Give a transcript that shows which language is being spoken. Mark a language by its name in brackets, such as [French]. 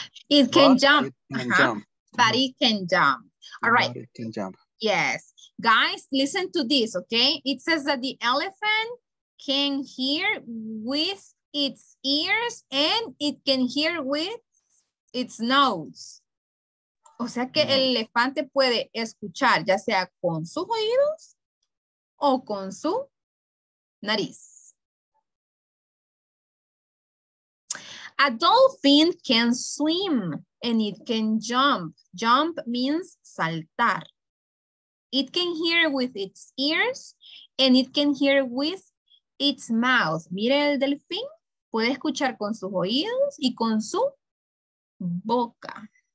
[English] It can jump. But it can jump. All right. It can jump. Yes. Guys, listen to this, okay? It says that the elephant can hear with its ears and it can hear with its nose. [Spanish] O sea que el elefante puede escuchar ya sea con sus oídos o con su nariz. [English] A dolphin can swim and it can jump. Jump means saltar. It can hear with its ears and it can hear with its mouth. [Spanish] Mire el delfín, puede escuchar con sus oídos y con su boca.